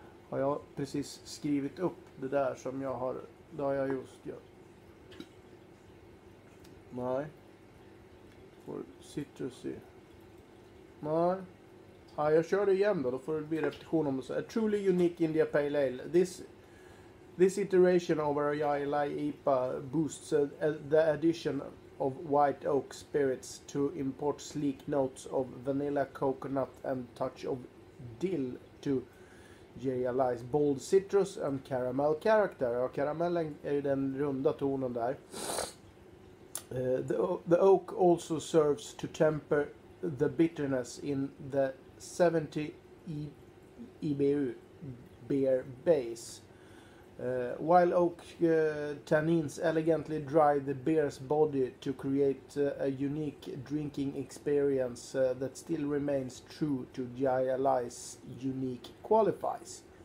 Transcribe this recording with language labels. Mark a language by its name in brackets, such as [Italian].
[Swedish] Har jag precis skrivit upp det där som jag har... Det har jag just gjort. Nej. [English] For citrusy. [Swedish] Nej. Ja, jag kör det igen då. Då får det bli repetition om det. [English] A truly unique India Pale Ale. This iteration of our Jai Alai IPA boosts the addition of white oak spirits to import sleek notes of vanilla, coconut and touch of dill to Jai Alai's bold citrus and caramel character. [Swedish] Ja, karamellen är ju den runda tonen där. [English] The oak also serves to temper the bitterness in the 70 IBU beer base. While oak tannins elegantly dry the beer's body to create a unique drinking experience that still remains true to Jai Alai's unique qualifies.